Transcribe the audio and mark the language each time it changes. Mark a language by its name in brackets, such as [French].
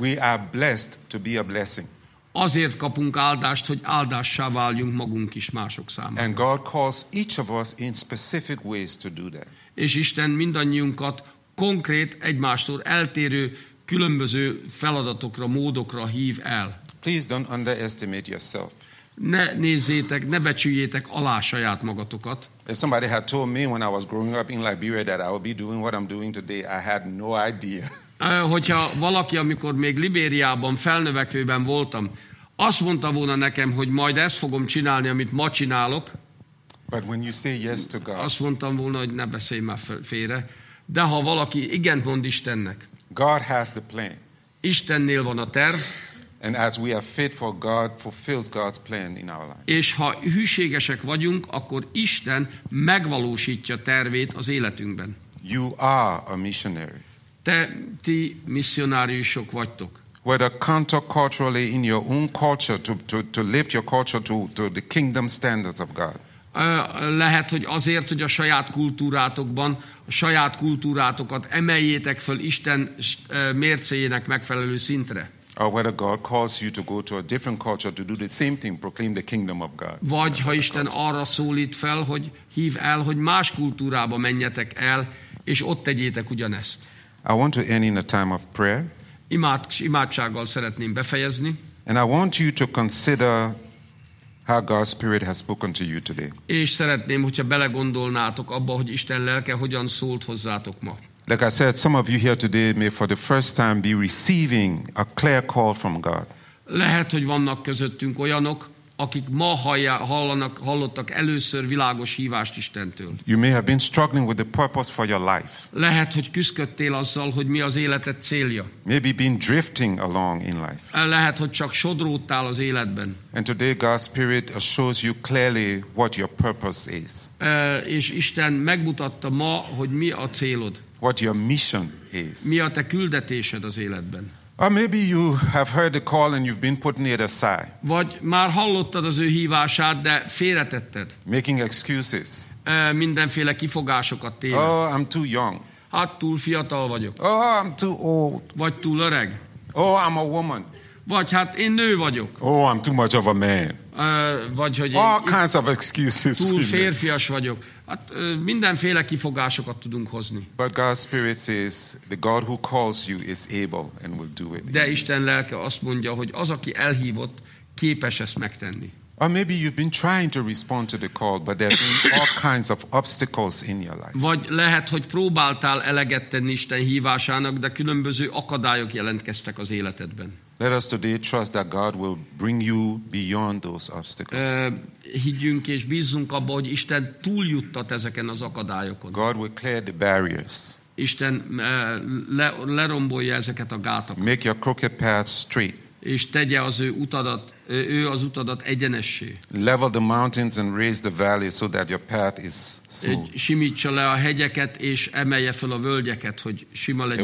[English] We are blessed to be a blessing. [Hungarian] Azért kapunk áldást, hogy áldássá váljunk magunk is mások számára. [English] And God calls each of us in specific ways to do that. [Hungarian] És Isten mindannyiunkat konkrét, egymástól eltérő, különböző feladatokra, módokra hív el. [English] Please don't underestimate yourself. [Hungarian] Ne nézzétek, ne becsüljétek alá saját magatokat. [English] If somebody had told me when I was growing up in Liberia that I would be doing what I'm doing today, I had no idea. [Hungarian] Hogyha valaki, amikor még Liberiában felnövekvőben voltam, azt mondta volna nekem, hogy majd ezt fogom csinálni, amit ma csinálok. [English] But when you say yes to God. [Hungarian] Azt mondtam volna, hogy ne beszélj már félre. De ha valaki igent mond Istennek. [English] God has the plan. [Hungarian] Istennél van a terv. [English] And as we are faithful, God fulfills God's plan in our lives. [Hungarian] És ha hűségesek vagyunk, akkor Isten megvalósítja tervét az életünkben. [English] You are a missionary. [Hungarian] Ti misszionáriusok vagytok. [English] Whether counterculturally in your own culture to lift your culture to the kingdom standards of God. [Hungarian] Lehet, hogy azért, hogy a saját kultúrátokban, a saját kultúrátokat emeljétek föl Isten mércéjének megfelelő szintre. [English] Or whether God calls you to go to a different culture to do the same thing, proclaim the kingdom of God. [Hungarian] Vagy ha Isten arra szólít fel, hogy hív el, hogy más kultúrába menjetek el, és ott tegyétek ugyanezt. [English] I want to end in a time of prayer. [Hungarian] Imádsággal szeretném befejezni. [English] And I want you to consider how God's Spirit has spoken to you today. [Hungarian] És szeretném, hogyha belegondolnátok abba, hogy Isten lelke hogyan szólt hozzátok ma. [English] Like I said, some of you here today may for the first time be receiving a clear call from God. [Hungarian] Lehet, hogy vannak közöttünk olyanok, akik ma hallottak először világos hívást Istentől. [English] You may have been struggling with the purpose for your life. [Hungarian] Lehet, hogy küszködtél azzal, hogy mi az életed célja. [English] Maybe been drifting along in life. [Hungarian] Lehet, hogy csak sodródtál az életben. [English] And today God's Spirit shows you clearly what your purpose is. [Hungarian] És Isten megmutatta ma, hogy mi a célod. [English] What your mission is. [Hungarian] Mi a te küldetésed az életben. [English] Or maybe you have heard the call and you've been putting it aside. [Hungarian] Vagy már hallottad az ő hívását, de félretetted. [English] Making excuses. [Hungarian] Mindenféle kifogásokat téve. [English] Oh, I'm too young. [Hungarian] Hát túl fiatal vagyok. [English] Oh, I'm too old. [Hungarian] Vagy túl öreg. [English] Oh, I'm a woman. [Hungarian] Vagy hát én nő vagyok. [English] Oh, I'm too much of a man. [Hungarian] Vagy hogy [English] all kinds of excuses. [Hungarian] Túl férfias vagyok. Hát mindenféle kifogásokat tudunk hozni. [English] But God's Spirit says, the God who calls you is able and will do it. [Hungarian] De Isten lelke azt mondja, hogy az, aki elhívott, képes ezt megtenni. [English] Or maybe you've been trying to respond to the call, but there have been all kinds of obstacles in your life. [Hungarian] Vagy lehet, hogy próbáltál eleget tenni Isten hívásának, de különböző akadályok jelentkeztek az életedben. [English] Let us today trust that God will bring you beyond those obstacles. [Hungarian] Higgyünk és bízzunk abba, hogy Isten túljuttat ezeken az akadályokon. [English] God will clear the barriers. [Hungarian] Isten lerombolja ezeket a gátokat. [English] Make your crooked path straight. [Hungarian] És tegye az utadat egyenessé. [English] Level the mountains and raise the valleys so that your path is smooth. [Hungarian] Simítsa le a hegyeket és emelje fel a völgyeket, hogy sima legyen.